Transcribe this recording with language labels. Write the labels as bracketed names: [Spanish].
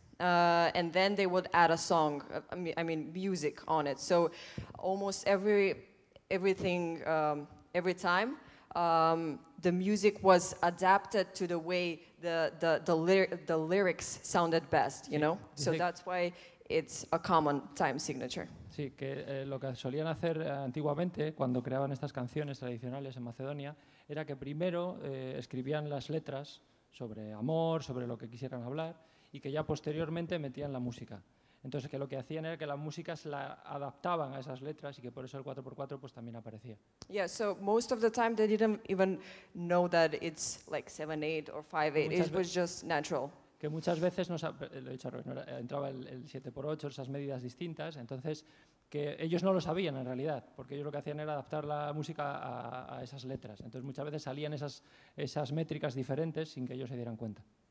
[English] And then they would add a song, I mean music on it. So almost every time the music was adapted to the way the lyrics sounded best, you know? So that's why it's a common time signature. [Spanish] Sí, que lo que solían hacer antiguamente cuando creaban estas canciones tradicionales en Macedonia era que primero escribían las letras sobre amor, sobre lo que quisieran hablar, y que ya posteriormente metían la música. Entonces, que lo que hacían era que la música se la adaptaban a esas letras y que por eso el 4x4 pues también aparecía. [English] Yeah, so most of the time they didn't even know that it's like 7/8 or 5/8. It was just natural. [Spanish] Que muchas veces no, lo he dicho, no era, entraba el 7x8, esas medidas distintas, entonces que ellos no lo sabían en realidad, porque ellos lo que hacían era adaptar la música a esas letras. Entonces, muchas veces salían esas métricas diferentes sin que ellos se dieran cuenta.